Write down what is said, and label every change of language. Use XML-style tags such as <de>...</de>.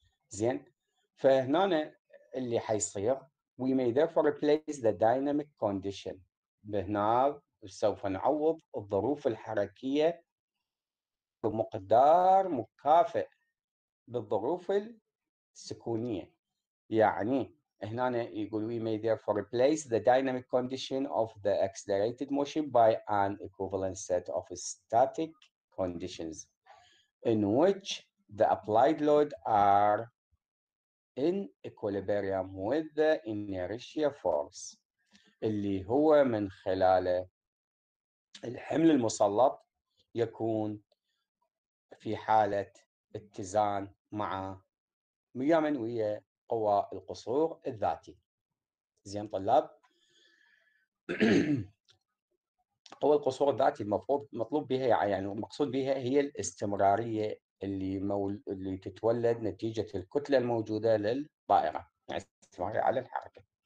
<ar>زين فهنا اللي حيصير</ar> <en>we may therefore replace the dynamic condition،</en> <ar>بهنا سوف نعوض الظروف الحركية بمقدار مكافئ بالظروف السكونية. يعني هنا يقول</ar> <en>we may therefore replace the dynamic condition of the accelerated motion by an equivalent set of static conditions in which the applied load are in equilibrium with the inertia force،</en> <ar>اللي هو من خلاله الحمل المسلط يكون في حالة اتزان مع ميامن ويا قوى القصور الذاتي. زين طلاب قوى القصور الذاتي المفروض مطلوب بها يعني مقصود بها هي الاستمرارية اللي اللي تتولد نتيجة الكتلة الموجودة للطائرة يعني استمرارية على الحركة.</ar>